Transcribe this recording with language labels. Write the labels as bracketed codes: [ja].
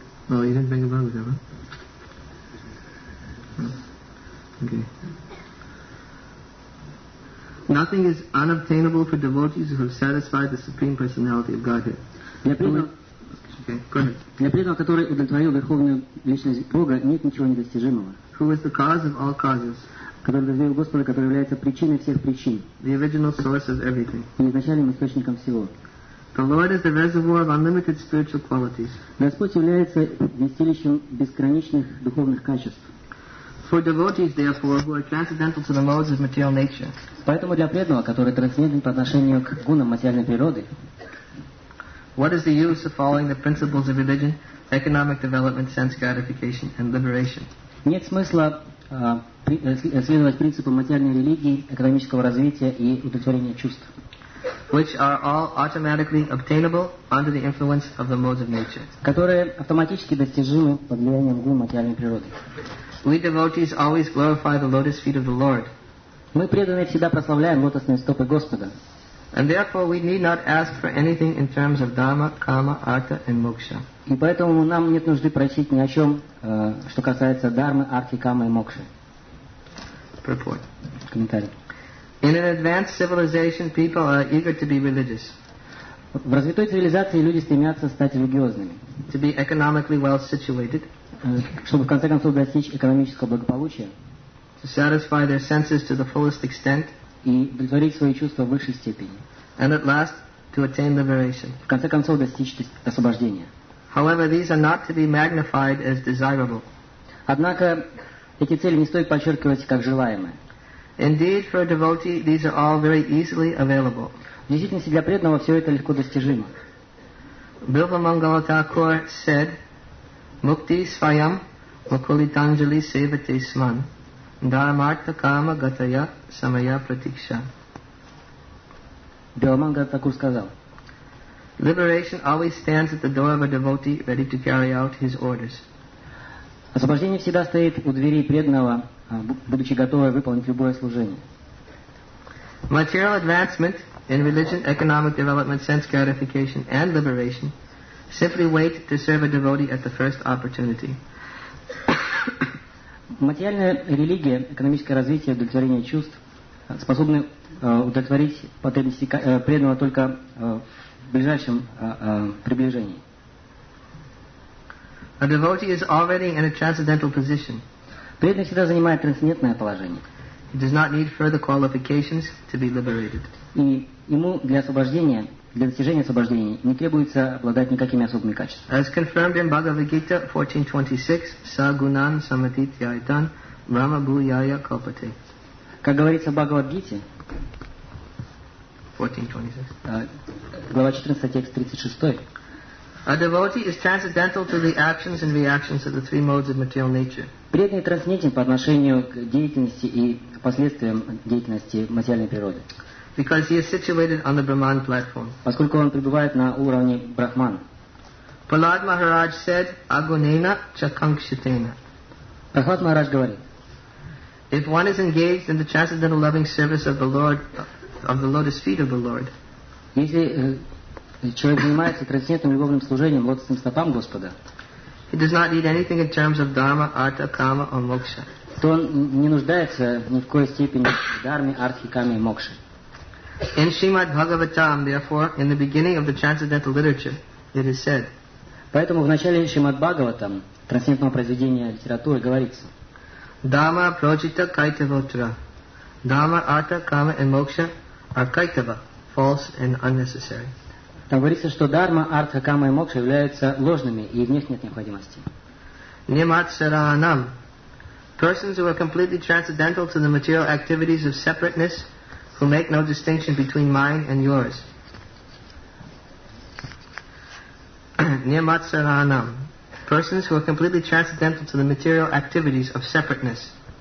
[en] Oh, you didn't bring a Bhagavad Gita, okay. Nothing is unobtainable for devotees who have satisfied the Supreme Personality of Godhead. [ru] Для преданного, который удовлетворил Верховную Личность Бога, нет ничего недостижимого. [en] Who is the cause of all causes? [ru] Который удовлетворил Господа, который является причиной всех причин. [en] The original source of everything. [ru] И изначальным источником всего. [en] The Lord is the reservoir of unlimited spiritual qualities. [ru] Господь является вместилищем бесконечных духовных качеств. [en] For devotees, therefore, who are transcendental to the modes of material nature. [ru] Поэтому для преданного, который трансцендентен по отношению к гунам материальной природы. [en] What is the use of following the principles of religion, economic development, sense gratification, and liberation? [ru] Нет смысла следовать принципам материальной религии, экономического развития и удовлетворения чувств. [en] Which are all automatically obtainable under the influence of the modes of nature. [ru] Которые автоматически достижимы под влиянием гун материальной природы. [en] We devotees always glorify the lotus feet of the Lord. [ru] Мы преданные всегда прославляем лотосные стопы Господа. [en] And therefore we need not ask for anything in terms of dharma, karma, artha and moksha. [ru] И поэтому нам нет нужды просить ни о чем, что касается дармы, артхи, кармы и мокши. [en] Purport. [ru] Комментарий. [en] In an advanced civilization, people are eager to be religious. [ru] В развитой цивилизации люди стремятся стать религиозными. [en] To be economically well situated. [ru] Чтобы в конце концов достичь экономического благополучия, [en] to satisfy their senses to the fullest extent, [ru] и удовлетворить свои чувства в высшей степени, [en] and at last to attain liberation, [ru] в конце концов достичь освобождения. [en] However, these are not to be magnified as desirable. [ru] Однако эти цели не стоит подчеркивать как желаемые. [en] Indeed, for a devotee, these are all very easily available. [ru] В действительности для преданного все это легко достижимо. [en] Bhilpa Mangala Thakur said. [sa] Mukti svayam mukulitanjali sevate sman dharmartha kama gataya samaya pratiksha. [ru] Бхагаван Такур сказал. [en] Liberation always stands at the door of a devotee ready to carry out his orders. [ru] Освобождение всегда стоит у двери преданного, будучи готовым выполнить любое служение. [en] Material advancement in religion, economic development, sense gratification and liberation simply wait to serve a devotee at the first opportunity. [ru] Материальная религия, экономическое развитие, удовлетворение чувств способны удовлетворить потребности преданного только в ближайшем приближении. [en] A devotee is already in a transcendental position. [ru] Преданный всегда занимает трансцендентное положение. [en] He does not need further qualifications to be liberated. [ru] И ему для освобождения, для достижения освобождения не требуется обладать никакими особыми качествами. [en] As confirmed in Bhagavad Gita 14.26, [sa] Сагунан Самадитьяйтан Брама Буяя Копате. [ru] Как говорится в Бхагавад Гите, 14.26, глава 14, текст 36. [en] A devotee is transcendental to the actions and reactions of the three modes of material nature. [ru] Преданный трансцендентен по отношению к деятельности и последствиям деятельности в материальной природе. [en] Because he is situated on the Brahman platform. [ru] Поскольку он пребывает на уровне Брахмана. [en] Prahlad Maharaj said, [sa] Agunena Chakankshitena. [ru] Prahlad Maharaj говорит. [en] If one is engaged in the transcendental loving service of the Lord, of the lotus feet of the Lord. [ru] Если человек занимается трансцендентным любовным служением лотосным стопам Господа. [en] He does not need anything in terms of dharma, artha, kama or moksha. [ru] То он не нуждается ни в коей степени в дарме, артхи, каме и мокше. [en] In Srimad Bhagavatam, therefore, in the beginning of the transcendental literature, it is said. [ru] Поэтому в начале Шримад Бхагаватам, трансцендентного произведения литературы, говорится. [sa] Dharma prajita kaitava utra. [en] Dharma, artha, kama and moksha are kaitava, false and unnecessary. [ru] Там говорится, что дарма, артха, кама и мокша являются ложными и в них нет необходимости. [sa] Nimatsaranam [en] Persons who are completely transcendental to the material activities of separateness, who make no distinction between mine and yours. [sa] Niyamatsaranam. [en] Persons who are completely transcendental to the material activities of separateness.